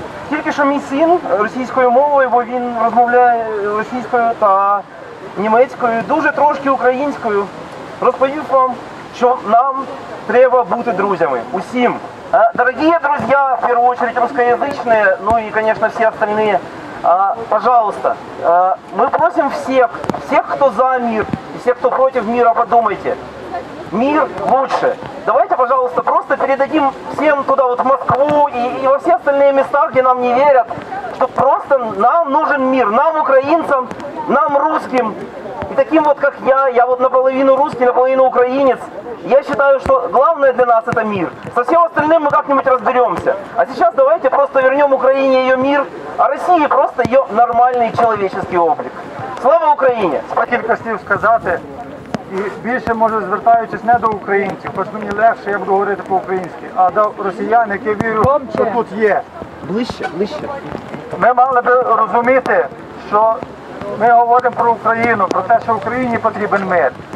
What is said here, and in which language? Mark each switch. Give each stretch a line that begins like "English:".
Ukrainian: Тільки що мій син російською мовою, бо він розмовляє російською та німецькою, дуже трошки українською, розповів вам, що нам треба бути друзями. Усім. Дорогі друзі, в першу чергу російськомовні, ну і, звісно, всі остальні, пожалуйста, ми просимо всіх, всіх, хто за мир, і всіх, хто проти мира, подумайте.
Russian: Мир лучше. Давайте, пожалуйста, просто передадим всем туда, вот в Москву и во все остальные места, где нам не верят, что просто нам нужен мир. Нам, украинцам, нам, русским. И таким вот, как я вот наполовину русский, наполовину украинец. Я считаю, что главное для нас это мир. Со всем остальным мы как-нибудь разберемся. А сейчас давайте просто вернем Украине ее мир, а России просто ее нормальный человеческий облик. Слава Украине!
Ukrainian: Спасибо, хотів сказати. І більше, може, звертаючись не до українців, хоч мені легше, я буду говорити по-українськи, а до росіян, які вірю, що тут є. Ближче, ближче. Ми мали би розуміти, що ми говоримо про Україну, про те, що Україні потрібен мир.